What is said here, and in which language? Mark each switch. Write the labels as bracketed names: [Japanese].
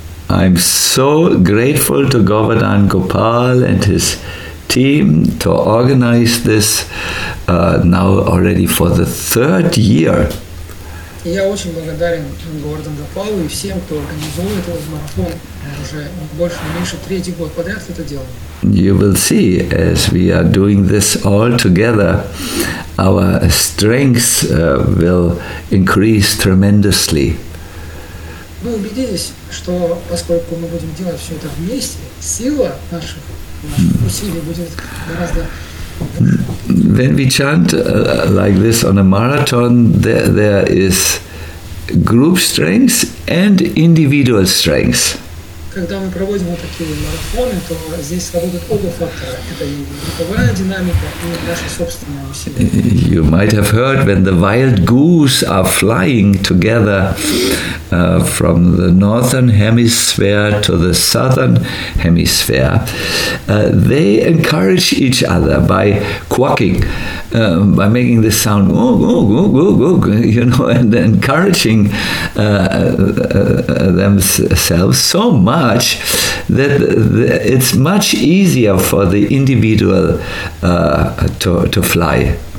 [English] I'm so grateful to Govardhan Gopal and his team to organize this now already for the third year. [Russian] Я очень благодарен Говардхан Гопалу и всем, кто организовывает этот марафон. Уже больше третий год подряд это делаем. [English] You will see, as we are doing this all together, our strengths will increase tremendously. [Russian] Вы убедитесь, что поскольку мы будем делать все это вместе, сила наших усилий будет гораздо... [English] When we chant like this on a marathon, there is group strength and individual strength. [Russian] Когда мы проводим вот такие марафоны, то здесь работают оба фактора. Это и групповая динамика, и наши собственные усилия. [English] You might have heard when the wild goose are flying together from the northern hemisphere to the southern hemisphere. They encourage each other by quacking, by making this sound, you know, and encouraging themselves so much that it's much easier for the individual to fly.